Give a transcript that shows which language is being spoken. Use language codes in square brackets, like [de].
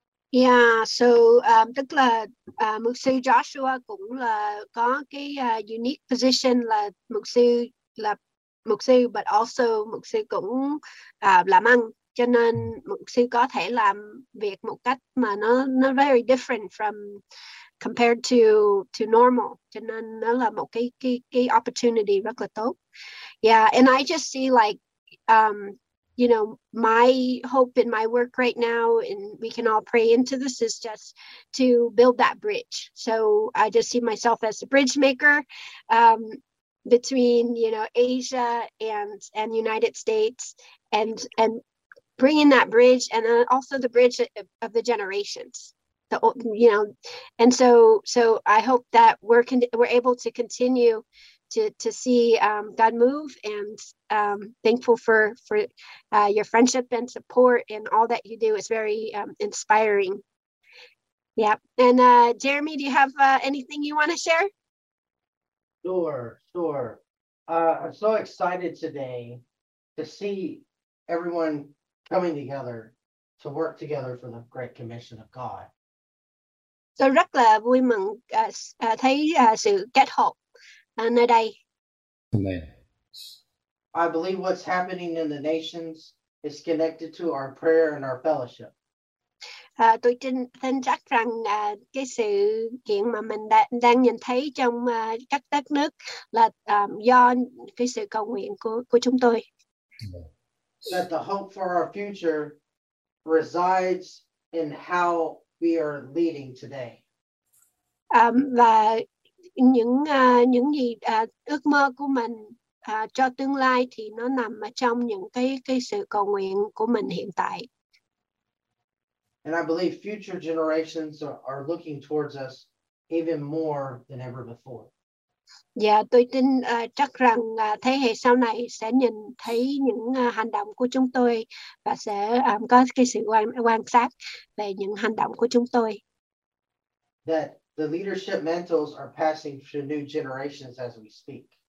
[vi] Yeah, so tức là mục sư Joshua cũng là có cái [en] unique position [vi] là mục sư, [en] but also [vi] mục sư cũng làm ăn, cho nên mục sư có thể làm việc một cách mà nó [en] very different from compared to normal, [vi] cho nên nó là một cái opportunity rất là tốt. [en] Yeah, and I just see like you know, my hope in my work right now, and we can all pray into this, is just to build that bridge. So I just see myself as a bridge maker between, you know, Asia and United States, and bringing that bridge, and then also the bridge of the generations. The, you know, and so I hope that we're able to continue to see God move, and thankful for your friendship and support and all that you do. It's very inspiring. Yeah. And Jeremy, do you have anything you want to share? Sure. I'm so excited today to see everyone coming together to work together for the Great Commission of God. [vi] So rất là vui mừng thấy sự kết hợp nơi đây. [en] I believe what's happening in the nations is connected to our prayer and our fellowship. [vi] Tôi tin chắc rằng cái sự kiện mà mình đang nhìn thấy trong các đất nước là do cái sự cầu nguyện của chúng tôi. [en] That the hope for our future resides in how we are leading today. [vi] Và những gì ước mơ của mình cho tương lai thì nó nằm ở trong những cái sự cầu nguyện của mình hiện tại. [en] And I believe future generations are looking towards us even more than ever before. [vi] Yeah, tôi tin chắc rằng thế hệ sau này sẽ nhìn thấy những hành động của chúng tôi và sẽ có cái sự quan sát về những hành động của chúng tôi. [en] That the leadership mantles are passing to new generations as we speak.